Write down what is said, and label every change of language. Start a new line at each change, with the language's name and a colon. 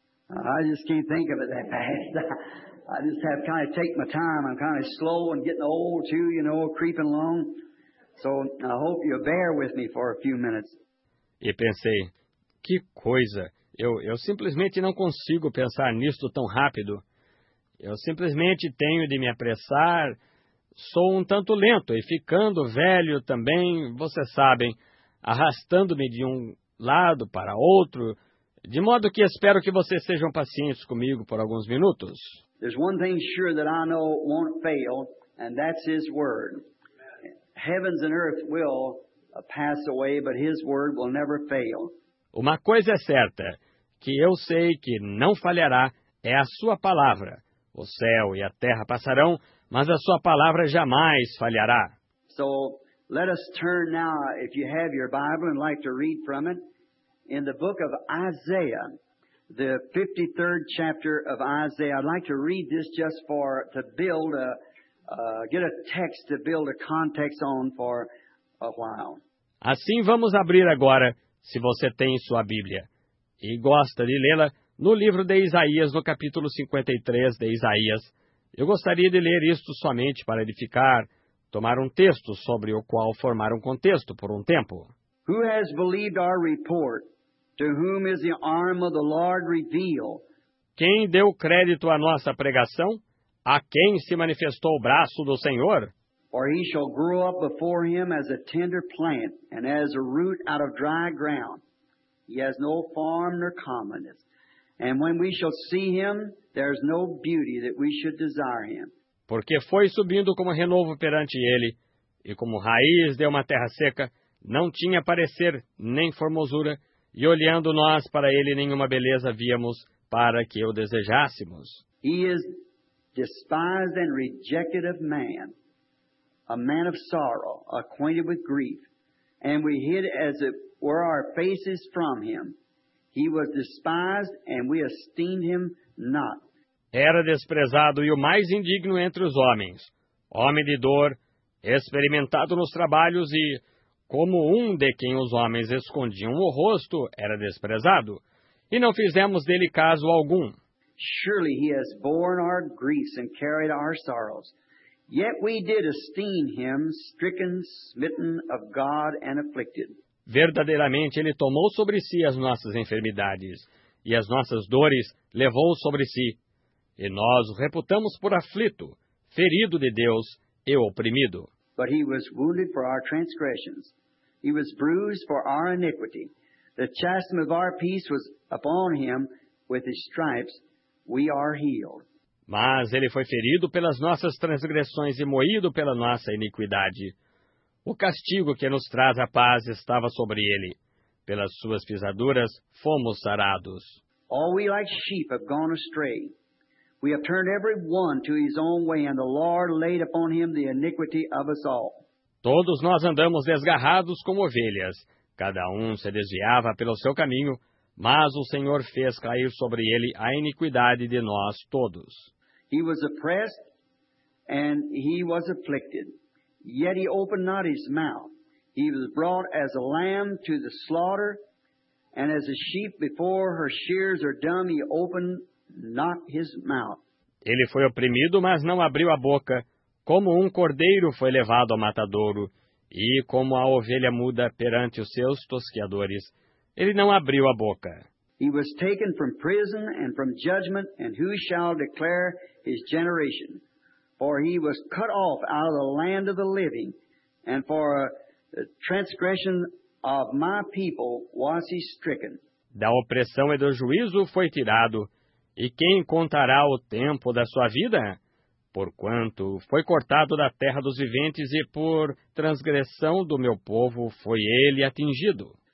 English: I just can't think of it that fast. I just have to kind of take my time. I'm kind of slow and getting old too, you know, creeping along. So I hope you bear with me for a few minutes.
Portuguese: E pensei, que coisa. Eu simplesmente não consigo pensar nisto tão rápido. Eu simplesmente tenho de me apressar. Sou um tanto lento e ficando velho também, vocês sabem, arrastando-me de um lado para outro, de modo que espero que vocês sejam pacientes comigo por alguns minutos.
English: There's one thing sure that I know won't fail, and that's His Word. Heavens and earth will pass away, but His Word will never fail.
Portuguese: Uma coisa é certa, que eu sei que não falhará, é a Sua Palavra. O céu e a terra passarão, mas a Sua Palavra jamais falhará.
English: So, let us turn now, if you have your Bible and like to read from it, in the book of Isaiah, the 53rd chapter of Isaiah. I'd like to read this just to build get a text to build a context on for a while.
Portuguese: Assim vamos abrir agora, se você tem sua Bíblia e gosta de lê-la, no livro de Isaías, no capítulo 53 de Isaías. Eu gostaria de ler isto somente para edificar, tomar um texto sobre o qual formar um contexto por um tempo.
English: Who has believed our report? To whom is the arm of the Lord revealed?
Portuguese: Quem deu crédito à nossa pregação? A quem se manifestou o braço do Senhor?
English: For he shall grow up before him as a tender plant, and as a root out of dry ground. He has no form nor comeliness. And when we shall see him, there is no beauty that we should desire him.
Portuguese: Porque foi subindo como renovo perante ele, e como raiz de uma terra seca, não tinha parecer nem formosura, e olhando nós para ele, nenhuma beleza víamos para que o desejássemos.
English: He is despised and rejected of man, a man of sorrow, acquainted with grief, and we hid as it were our faces from him. He was despised, and we esteemed him not.
Portuguese: Era desprezado e o mais indigno entre os homens, homem de dor, experimentado nos trabalhos e, como um de quem os homens escondiam o rosto, era desprezado, e não fizemos dele caso algum.
English: Surely he has borne our griefs and carried our sorrows, yet we did esteem him stricken, smitten of God and afflicted.
Portuguese: Verdadeiramente ele tomou sobre si as nossas enfermidades, e as nossas dores levou sobre si. E nós o reputamos por aflito, ferido de Deus e oprimido.
English: But he was wounded for our transgressions. He was bruised for our iniquity. The chastisement of our peace was upon him. With his stripes we are healed.
Portuguese: Mas ele foi ferido pelas nossas transgressões e moído pela nossa iniquidade. O castigo que nos traz a paz estava sobre ele. Pelas suas pisaduras fomos sarados.
English: All we like sheep have gone astray. We have turned every one to his own way, and the Lord laid upon him the iniquity of us all.
Portuguese: Todos nós andamos desgarrados como ovelhas. Cada um se desviava pelo seu caminho, mas o Senhor fez cair sobre ele a iniquidade de nós todos.
English: He was oppressed, and he was afflicted, yet he opened not his mouth. He was brought as a lamb to the slaughter, and as a sheep before her shears are dumb, he opened not his mouth.
Portuguese: Ele foi oprimido, mas não abriu a boca. Como um cordeiro foi levado ao matadouro, e como a ovelha muda perante os seus tosqueadores, ele não abriu a boca.
English: He was taken from prison and from judgment, and who shall declare his generation? For he was cut off out of the land of the living, and for a transgression of my people was he stricken.
Portuguese: Da opressão e do juízo foi tirado. E quem contará o tempo da sua vida? Porquanto foi cortado da terra dos viventes e por transgressão do meu povo foi ele atingido.